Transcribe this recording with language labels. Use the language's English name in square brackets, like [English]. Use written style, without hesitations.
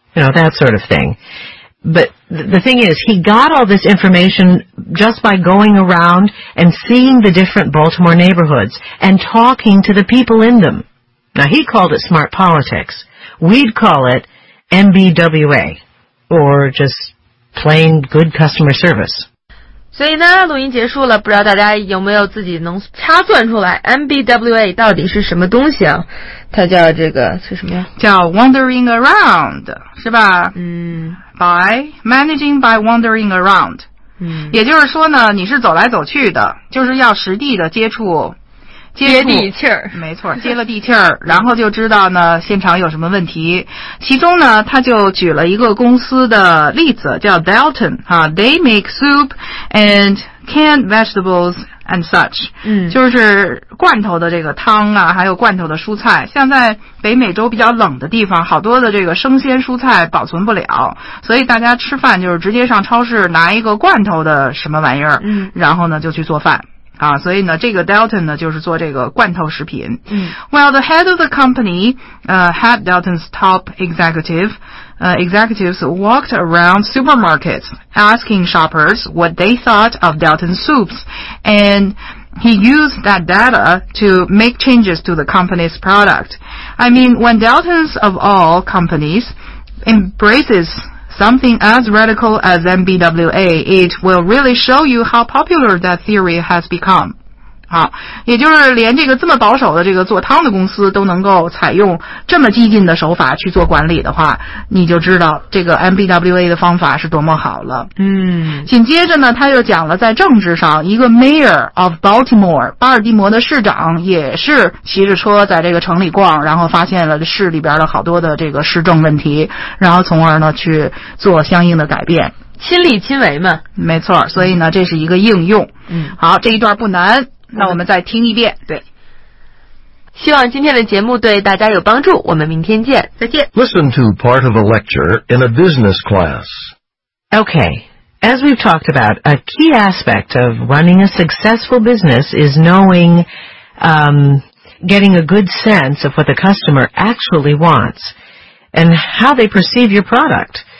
[English] You know, that sort of thing. But the thing is, he got all this information just by going around and seeing the different Baltimore neighborhoods and talking to the people in them. Now, he called it smart politics. We'd call it MBWA, or just plain good customer service. [Chinese] 所以呢，录音结束了，不知道大家有没有自己能掐算出来 MBWA 到底是什么东西啊？它叫这个是什么呀？叫 [English] wandering around， [Chinese] 是吧？嗯。 [English] By managing by wandering around，嗯， [Chinese] 也就是说呢，你是走来走去的，就是要实地的接触。接地气儿，没错，接了地气儿，然后就知道呢现场有什么问题。其中呢，他就举了一个公司的例子，叫 Dalton 啊 ， [English] They make soup and canned vegetables and such，嗯， [Chinese] 就是罐头的这个汤啊，还有罐头的蔬菜。像在北美洲比较冷的地方，好多的这个生鲜蔬菜保存不了，所以大家吃饭就是直接上超市拿一个罐头的什么玩意儿，嗯，然后呢就去做饭。啊，所以呢，这个 Dalton 呢，就是做这个罐头食品。嗯、 [English] well, the head of the company, had Dalton's top executive, executives walked around supermarkets asking shoppers what they thought of Dalton's soups, and he used that data to make changes to the company's product. I mean, when Dalton's of all companies embraces something as radical as MBWA, it will really show you how popular that theory has become. [Chinese] 好，也就是连这个这么保守的这个做汤的公司都能够采用这么激进的手法去做管理的话，你就知道这个 MBWA 的方法是多么好了。嗯，紧接着呢，他又讲了在政治上，一个 Mayor of Baltimore， 巴尔的摩的市长也是骑着车在这个城里逛，然后发现了市里边的好多的这个市政问题，然后从而呢去做相应的改变。亲力亲为嘛。没错，所以呢，这是一个应用。嗯，好，这一段不难。那我们再听一遍，对。希望今天的节目对大家有帮助，我们明天见，再见。 [English] Listen to part of a lecture in a business class. Okay, as we've talked about, a key aspect of running a successful business is knowing, getting a good sense of what the customer actually wants and how they perceive your product.